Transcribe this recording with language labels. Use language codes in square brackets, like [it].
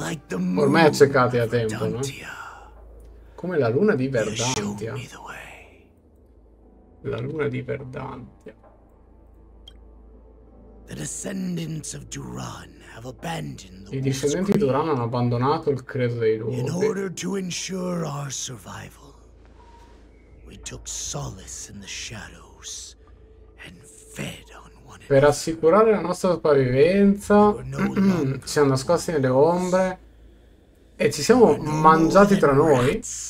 [it] Ormai accecati a tempo, no? Come la luna di Verdantia. La luna di Verdantia. [en] The descendants of Duran have abandoned the [it] I discendenti di Duran hanno abbandonato il credo dei luoghi. [en] In order to ensure our survival, we took solace in the shadows and fed. [it] Per assicurare la nostra sopravvivenza, siamo nascosti nelle ombre e ci siamo mangiati tra noi.